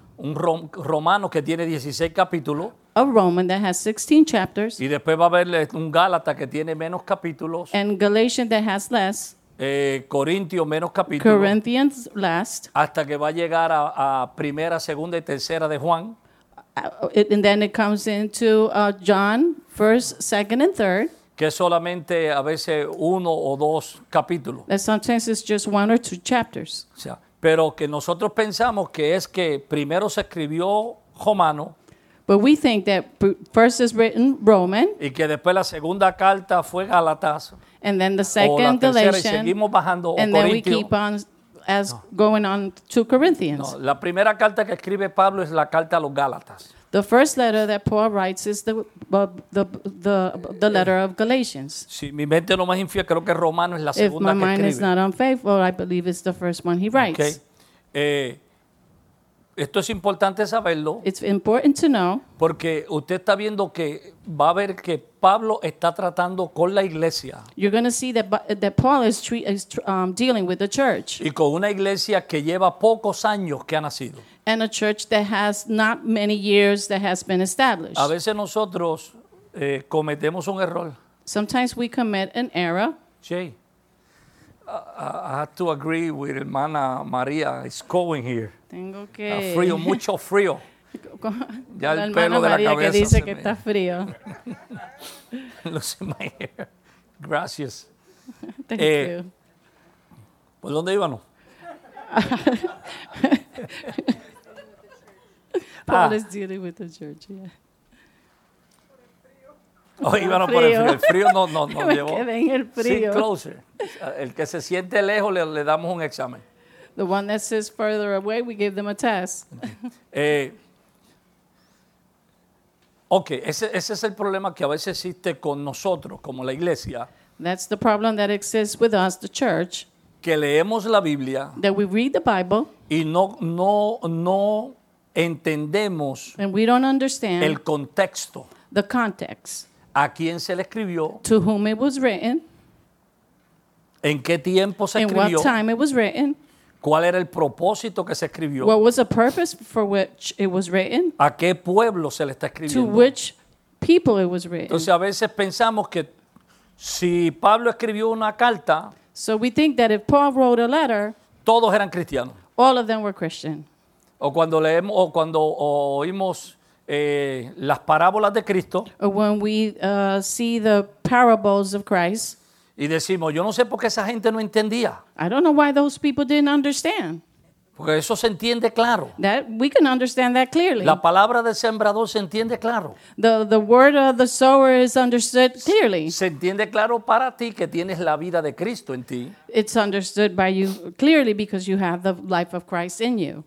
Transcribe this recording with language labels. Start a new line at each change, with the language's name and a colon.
Spanish: Un romano que tiene 16 capítulos.
English: A Roman that has 16 chapters.
Spanish: Y después va a haber un Gálata que tiene menos capítulos.
English: And Galatian that has less.
Spanish: Corintio menos capítulos.
English: Corinthians last.
Spanish: Hasta que va a llegar a primera, segunda y tercera de Juan.
English: And then it comes into John, first, second and third.
Spanish: Que es solamente a veces uno o dos capítulos.
English: That sometimes it's just one or two chapters.
Spanish: O sea, pero que nosotros pensamos que es que primero se escribió Romano.
English: But we think that first is written Roman.
Spanish: Y que después la segunda carta fue Gálatas.
English: And then the second Galatian.
Spanish: Y seguimos bajando,
English: and then we keep on as no. Going on to Corinthians.
Spanish: No, la primera carta que escribe Pablo es la carta a los Gálatas.
English: The first letter that Paul writes is the letter of Galatians.
Spanish: Si mi mente no más infiel, creo que Romano es la segunda que escribe.
English: If my mind is not unfaithful, I believe it's the first one he writes.
Spanish: Okay. Esto es importante saberlo.
English: It's important to know.
Spanish: Porque usted está viendo que va a ver que Pablo está tratando con la iglesia.
English: You're going to see that Paul is dealing with the church.
Spanish: Y con una iglesia que lleva pocos años que ha nacido.
English: And a church that has not many years that has been established.
Spanish: A veces nosotros cometemos un error.
English: Sometimes we commit an error. Jay, I have to agree with hermana María. It's going here.
Spanish: Tengo que. Está frío, mucho frío. Ya el pelo de la cabeza. Hermana María que dice que está frío.
English: Losing my hair.
Spanish: Gracias.
English: Thank you.
Spanish: ¿Por dónde íbamos?
English: Paul is dealing with the church, yeah.
Spanish: Oh, íbamos por el frío. El frío no me llevó. Me quedé en el frío.
English: Sit closer.
Spanish: El que se siente lejos, le damos un examen.
English: The one that sits further away, we give them a test.
Spanish: Okay, ese es el problema que a veces existe con nosotros, como la iglesia.
English: That's the problem that exists with us, the church.
Spanish: Que leemos la Biblia.
English: That we read the Bible.
Spanish: Y no entendemos.
English: And we don't understand.
Spanish: El contexto.
English: The context.
Spanish: A quién se le escribió.
English: To whom it was written.
Spanish: En qué tiempo se escribió.
English: In what time it was written.
Spanish: ¿Cuál era el propósito que se escribió?
English: What was the purpose for which it was written?
Spanish: ¿A qué pueblo se le está escribiendo?
English: To which people it was written.
Spanish: Entonces a veces pensamos que si Pablo escribió una carta,
English: so we think that if Paul wrote a letter,
Spanish: todos eran cristianos.
English: All of them were Christian.
Spanish: O cuando leemos o cuando oímos las parábolas de Cristo,
English: or when we see the parables of Christ.
Spanish: Y decimos, yo no sé por qué esa gente no entendía.
English: I don't know why those people didn't understand.
Spanish: Porque eso se entiende claro.
English: That we can understand that clearly.
Spanish: La palabra del sembrador se entiende claro.
English: The word of the sower is understood clearly.
Spanish: Se entiende claro para ti que tienes la vida de Cristo en ti.
English: It's understood by you clearly because you have the life of Christ in you.